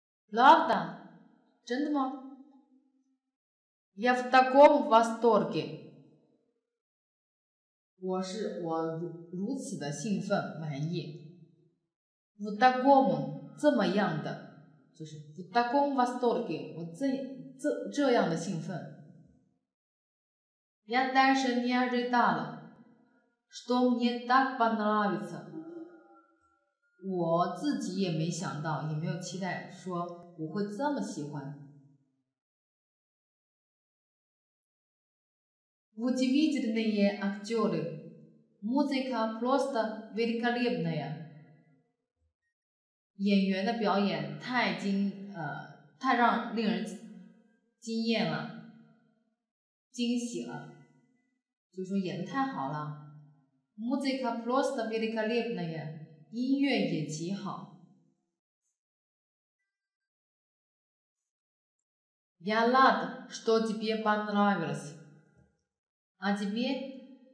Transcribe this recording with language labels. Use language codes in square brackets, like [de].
[ru] Pravda [zh] 真的吗 [ru] Я в таком восторге [zh] 我 如此的兴奋满意 [ru] В таком [zh] 这么样的就是 [ru] В таком восторге [zh] 我 这样的兴奋 [ru] Я даже не ожидал, что мне так понравится. [zh] 我自己也没想到，也没有期待，说我会这么喜欢。 [ru] Удивительные актеры, музыка просто великолепная. [zh] 演员的表演太让令人惊艳了，惊喜了。就说演得太好了 [ru] Музыка просто великолепная [zh] 音乐也极好 [ru] Я рад, что тебе понравилось А тебе?